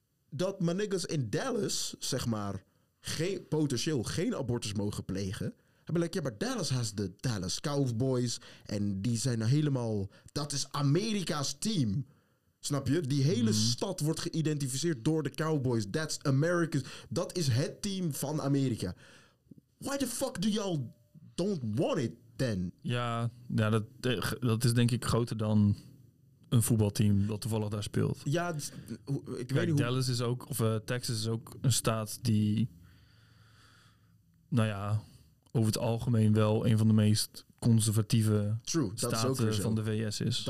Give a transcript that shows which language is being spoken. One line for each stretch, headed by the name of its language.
Dutch: Dat mijn niggas in Dallas, zeg maar, geen abortus mogen plegen. Hebben like, ja, maar
English: Dallas has the Dallas Cowboys.
Dutch: En die zijn helemaal, dat is Amerika's team. Snap je? Die hele stad wordt geïdentificeerd door de Cowboys.
English: That's America's.
Dutch: Dat is het team van Amerika.
English: Why the fuck do y'all don't want it then?
Dutch: Ja, dat is denk ik groter dan een voetbalteam dat toevallig daar speelt. Ja, ik weet niet hoe. Dallas is ook, of Texas is ook een staat die, nou ja, over het algemeen wel een van de meest conservatieve staten van de VS is.